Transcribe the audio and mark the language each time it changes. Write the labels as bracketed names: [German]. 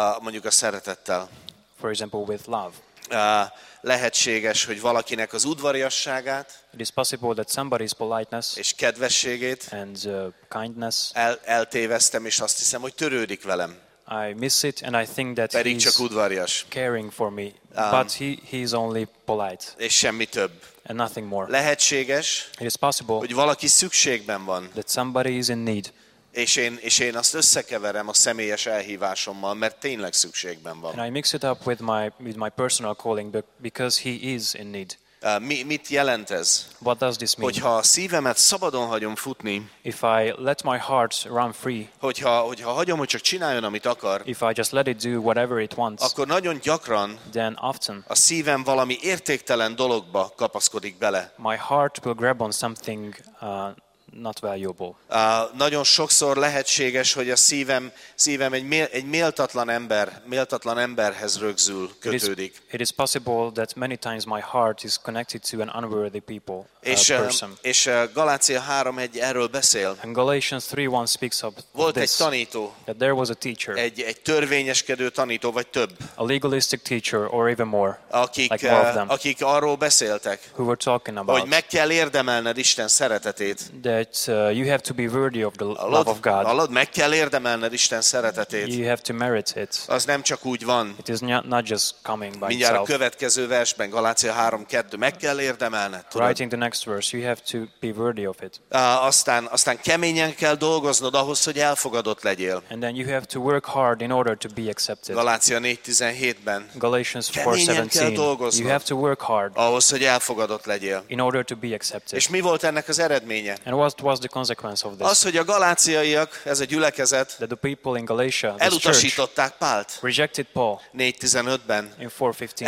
[Hungarian] Mondjuk a szeretettel. [English] For example, with love. [Hungarian] Lehetséges, hogy valakinek az udvariasságát. [English] It is possible that somebody's politeness. [Hungarian] És kedvességét. [English] And kindness. [Hungarian] Eltévesztem, és azt hiszem, hogy törődik velem. [English] I miss it, and I think that [Hungarian] pedig [English] he's [Hungarian] csak udvarias. [English] Caring for me, but he is only polite. [Hungarian] És semmi több. [English] And nothing more. [Hungarian] Lehetséges. [English] It is possible. [Hungarian] Hogy valaki szükségben van. [English] That somebody is in need. [Hungarian] És én azt összekeverem a személyes elhívásommal, mert tényleg szükségben van. [English] And I mix it up with my personal calling because he is in need. [Hungarian] Mit jelent ez? [English] What does this mean? [Hungarian] Hogyha a szívemet szabadon hagyom futni, [English] if I let my heart run free, [Hungarian] hogyha hagyom, hogy csak csináljon, amit akar, [English] if I just let it do whatever it wants, [Hungarian] akkor nagyon gyakran, [English] then often, [Hungarian] a szívem valami értéktelen dologba kapaszkodik bele. [English] My heart will grab on something not valuable. [Hungarian] Nagyon sokszor lehetséges, hogy a szívem egy méltatlan emberhez rögzül, kötődik. [English] It is possible that many times my heart is connected to an unworthy people. [Hungarian] És Galácia 3:1 erről beszél. [English] And Galatians 3:1 speaks of this. [Hungarian] Volt egy tanító. [English] That there was a teacher. [Hungarian] Egy törvényeskedő tanító, vagy több. [English] A legalistic teacher or even more. [Hungarian] Akik arról beszéltek. [English] Who were talking about. [Hungarian] Hogy meg kell érdemelned Isten szeretetét. [English] That that you have to be worthy of the love of God. [Hungarian] Hallod, meg kell érdemelned Isten szeretetét. [English] You have to merit it. [Hungarian] Az nem csak úgy van. [English] It is not just coming by itself. [Hungarian] Mindjárt a következő versben, Galácia 3:2, meg kell érdemelned. Tudod? [English] Writing the next verse, you have to be worthy of it. [Hungarian] Aztán keményen kell dolgoznod ahhoz, hogy elfogadott legyél. [English] And then you have to work hard in order to be accepted. [Hungarian] Galácia 4:17-ben. [English] Galatians 4:17. You have to work hard. [Hungarian] Ahhoz, hogy elfogadott legyél. [English] In order to be accepted. [Hungarian] És mi volt ennek az eredménye? [English] And what was the consequence of this? [Hungarian] Az, hogy a galáciaiak, ez a gyülekezet, [English] that the people in Galatia, [Hungarian] elutasították Pált. [English] Rejected Paul. [Hungarian] 4:15-ben. [English] In 4:15.